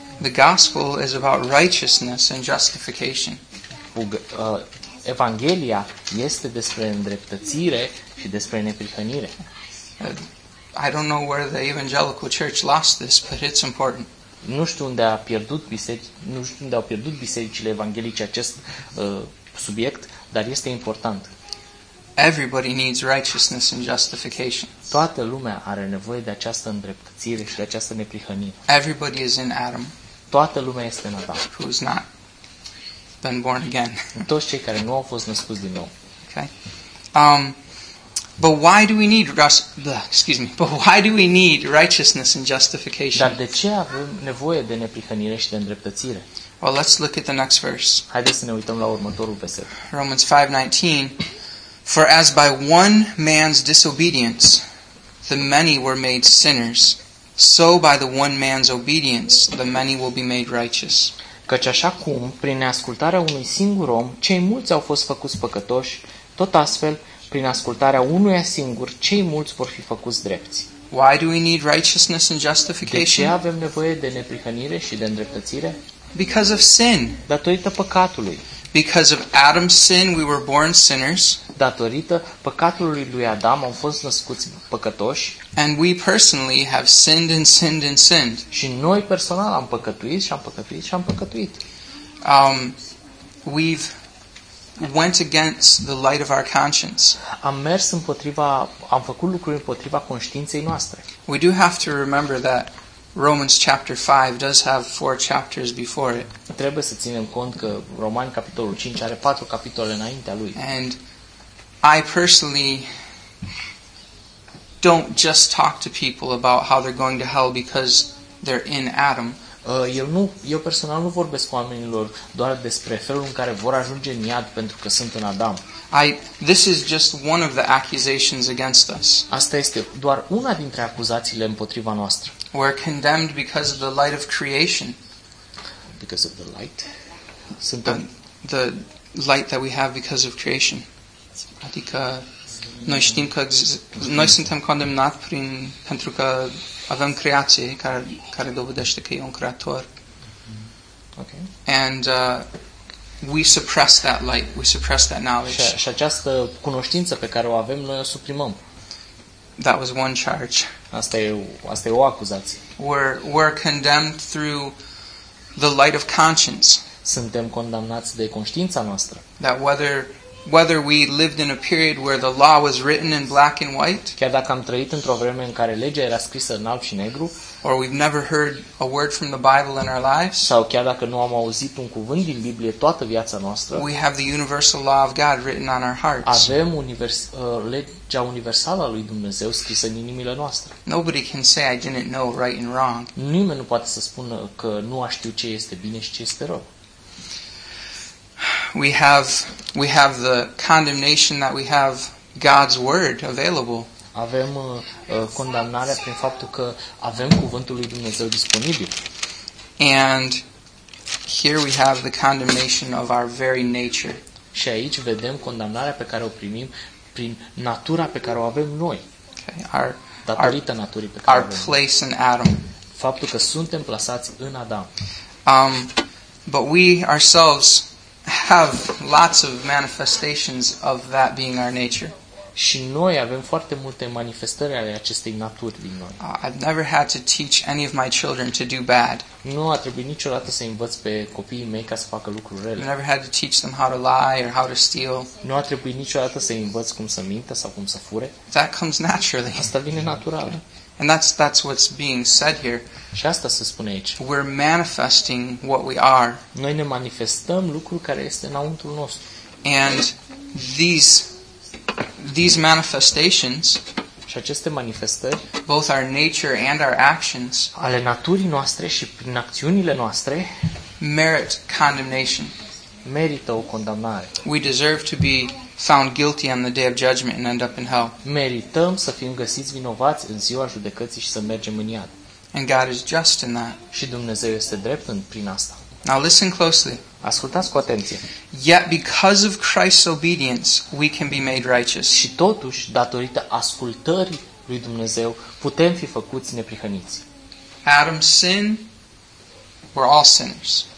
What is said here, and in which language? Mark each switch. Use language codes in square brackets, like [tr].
[en] The gospel is about righteousness and justification. [ro] Evanghelia este despre îndreptățire și despre neprihănire. [en] I don't know where the evangelical church lost this, but it's important. [ro] Nu știu unde a pierdut biserica, nu știu unde au pierdut bisericile evanghelice acest subiect, dar este important. [en] Everybody needs righteousness and justification. [ro] Toată lumea are nevoie de această îndreptățire și de această neprihănire. [en] Everybody is in Adam. [ro] Toată lumea este în Adam. [en] Who is not? Been born again. [ro] Toți cei care nu au fost născuți din nou. [en] Okay. But why do we need But why do we need righteousness and justification? [ro] Dar de ce avem nevoie de neprihănire și de îndreptățire? [en] Well, let's look at the next verse. [ro] Haideți să ne uităm la următorul verset. [en] Romans 5:19. For as by one man's disobedience the many were made sinners, so by the one man's obedience the many will be made righteous. [ro] Căci așa cum, prin neascultarea unui singur om, cei mulți au fost făcuți păcătoși, tot astfel, prin ascultarea unuia singur, cei mulți vor fi făcuți drepți. [en] Why do we need righteousness and justification? [ro] De ce avem nevoie de neprihănire și de îndreptățire? [en] Because of sin. [ro] Datorită păcatului. [en] Because of Adam's sin, we were born sinners. [ro] Datorită păcatului lui Adam, am fost născuți păcătoși. [en] And we personally have sinned and sinned and sinned. [ro] Și noi personal am păcătuit și am păcătuit și am păcătuit. [en] We've went against the light of our conscience. [ro] Am mers împotriva, am făcut lucruri împotriva conștiinței noastre. [en] We do have to remember that Romans chapter 5 does have 4 chapters before it. [ro] Trebuie să ținem cont că Romani capitolul 5 are 4 capitole înaintea lui. [en] And I personally don't just talk to people about how they're going to hell because they're in Adam. [ro] Eu personal nu vorbesc cu oamenilor doar despre felul în care vor ajunge în iad pentru că sunt în Adam. [en] This is just one of the accusations against us. [ro] Asta este doar una dintre acuzațiile împotriva noastră. [en] We're condemned because of the light of creation. Because of the light. The light that we have because of creation. [ro] Adică noi știm că noi suntem condamnați prin pentru că avem creație care dovedește că e un creator. [en] Okay. And we suppress that light, we suppress that knowledge. [ro] Și această cunoștință pe care o avem noi o suprimăm. [en] That was one charge. [ro] Asta e o acuzație. [en] We're condemned through the light of conscience. [ro] Suntem condamnați de conștiința noastră. [en] That whether Whether we lived in a period where the law was written in black and white, [ro] chiar dacă am trăit într-o vreme în care legea era scrisă în alb și negru, [en] or we've never heard a word from the Bible in our lives, [ro] sau chiar dacă nu am auzit un cuvânt din Biblie toată viața noastră, [en] we have the universal law of God written on our hearts. [ro] Avem legea universală a lui Dumnezeu scrisă în inimile noastre. [en] Nobody can say I didn't know right and wrong. [ro] Nimeni nu poate să spună că nu a știut ce este bine și ce este rău. [en] We have the condemnation that we have God's word available. [ro] Avem condamnarea prin faptul că avem cuvântul lui Dumnezeu disponibil. [en] And here we have the condemnation of our very nature. [ro] Și aici vedem condamnarea pe care o primim prin natura pe care o avem noi. [en] Okay. Our [ro] datorită naturii pe care [en] our [ro] avem. [en] Place in Adam. [ro] Faptul că suntem plasați în Adam. [en] But we ourselves have lots of manifestations of that being our nature. [ro] Și noi avem foarte multe manifestări ale acestei naturi din noi. [en] I've never had to teach any of my children to do bad. [ro] Nu a trebuit niciodată să învăț pe copiii mei ca să facă lucruri rele. [en] I've never had to teach them how to lie or how to steal. [ro] Nu a trebuit niciodată să învăț cum să mintă sau cum să fure. [en] That comes naturally. [ro] Asta vine natural. [en] And that's what's being said here. [ro] Și asta se spune aici. [en] We're manifesting what we are. [ro] Noi ne manifestăm lucrul care este înăuntru nostru. [en] And these manifestations, [ro] și aceste manifestări, [en] both our nature and our actions, [ro] ale naturii noastre și prin acțiunile noastre, [en] merit condemnation. [ro] Merită o condamnare. [en] We deserve to be found guilty on the day of judgment and end up in hell. [ro] Merităm să fim găsiți vinovați în ziua judecății și să mergem în iad. [en] And God is just in that. [ro] Și Dumnezeu este drept în prin asta. [en] Now listen closely. [ro] Ascultați cu atenție. [en] Yet because of Christ's obedience, we can be made righteous. [ro] Și totuși, datorită ascultării lui Dumnezeu, putem fi făcuți neprihăniți. [en] Adam's sin, we're all sinners.